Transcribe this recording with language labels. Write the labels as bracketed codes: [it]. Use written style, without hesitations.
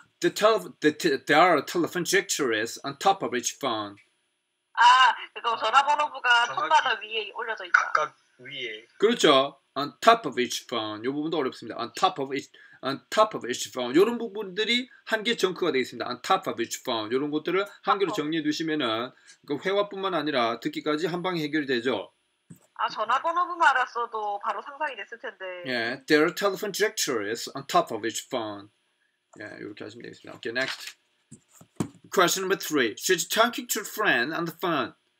[en] The there are telephone gestures on top of each phone. [ko] 아, 그거 전화번호부가 통마다 위에 올려져 있다. 각각 위에. 그렇죠. [en] On top of each phone. [ko] 이 부분도 어렵습니다. [en] On top of each phone. [ko] 이런 부분들이 한 개 정크가 되겠습니다. [en] On top of each phone. [ko] 이런 것들을 한 개로 정리해 두시면은 그 회화뿐만 아니라 듣기까지 한 방에 해결이 되죠. 아, 전화번호부만 알았어도 바로 상상이 됐을 텐데. [en] Yeah, there are telephone directories on top of each phone. [ko] 예, [en] yeah, [ko] 이렇게 하시면 되겠습니다. [en] Okay, next. Question number three. She's talking to a friend on the phone.